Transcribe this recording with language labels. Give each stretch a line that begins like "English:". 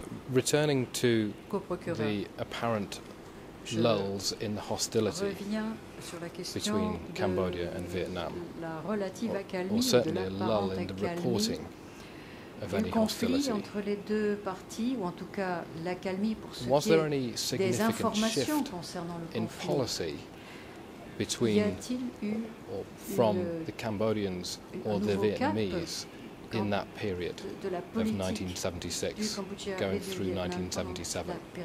English: Returning to the apparent lulls in the hostility between Cambodia and Vietnam, or certainly a lull in the reporting of any hostility.
French: Entre les deux parties, ou en tout cas l'accalmie pour ce qui est des informations concernant le conflit,
English: in policy between or from the Cambodians or the Vietnamese in that period of 1976 going through 1977?